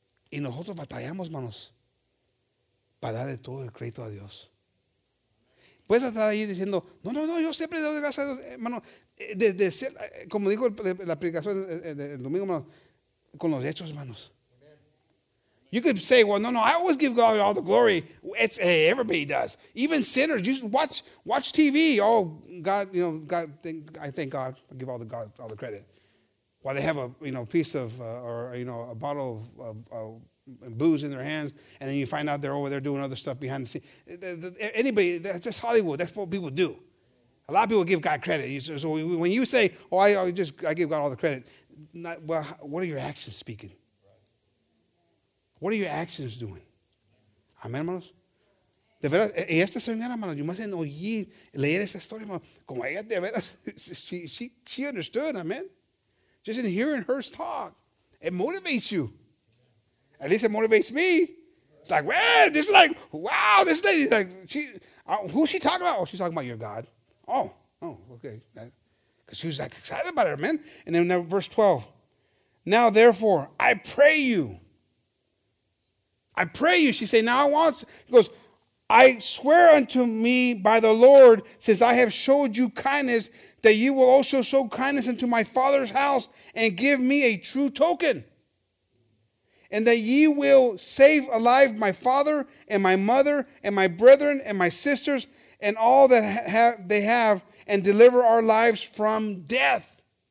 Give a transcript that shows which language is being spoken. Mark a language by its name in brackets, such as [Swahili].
[Spanish] Y nosotros batallamos, hermanos, para darle todo el crédito a Dios. Puedes estar ahí diciendo, no, yo siempre doy gracias a Dios, hermano. Como dijo la predicación el domingo, hermanos, con los hechos, hermanos. [English] You could say, well, no, I always give God all the glory. Hey, everybody does. Even sinners, you watch TV. Oh, God, you know, God, I thank God. I give all the credit. While they have a bottle of booze in their hands, and then you find out they're over there doing other stuff behind the scenes. Anybody, that's just Hollywood. That's what people do. A lot of people give God credit. So when you say, oh, I give God all the credit, what are your actions speaking? What are your actions doing? Amén, hermanos. [Spanish] De veras, y esta señora, hermanos, yo más en oír, leer esta historia, hermanos, como ella, de veras, [English] she understood, [Spanish] amén. [English] Just in hearing her talk, it motivates you. At least it motivates me. It's like, man, this is like, wow, this lady's like, who's she talking about? Oh, she's talking about your God. Oh, okay. Because she was like excited about it, man. And then verse 12. Now, therefore, I pray you, she said, now I want, he goes, I swear unto me by the Lord, since I have showed you kindness, that you will also show kindness unto my father's house and give me a true token, and that ye will save alive my father and my mother and my brethren and my sisters and all that they have and deliver our lives from death.